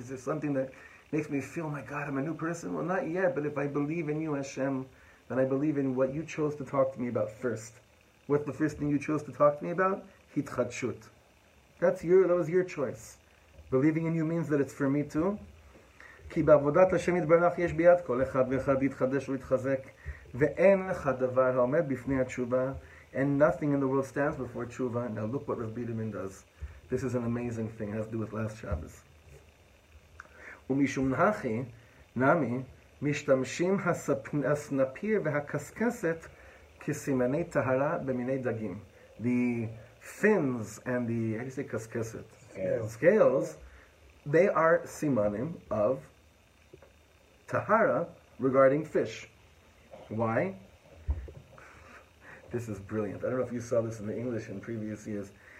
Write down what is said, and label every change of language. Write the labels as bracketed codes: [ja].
[en] Is there something that makes me feel, my God, I'm a new person? Well, not yet, but if I believe in you, Hashem, then I believe in what you chose to talk to me about first. What's the first thing you chose to talk to me about? Itchatshut. That was your choice. Believing in you means that it's for me too. [he] כי בעבודת השם יתברך יש ביד כל אחד ואחד יתחדש ויתחזק ואין לך דבר העומד בפני התשובה [en] and nothing in the world stands before [he] תשובה. [en] Now look what Rav Biderman does. This is an amazing thing. It has to do with last Shabbos. [he] ומשום נחי נמי משתמשים הסנפיר והקסקסת כסימני טהרה במיני דגים. [en] The fins and the, how do you say קסקסת? Scales. They are simanim of Tahara regarding fish. Why? This is brilliant. I don't know if you saw this in the English in previous years.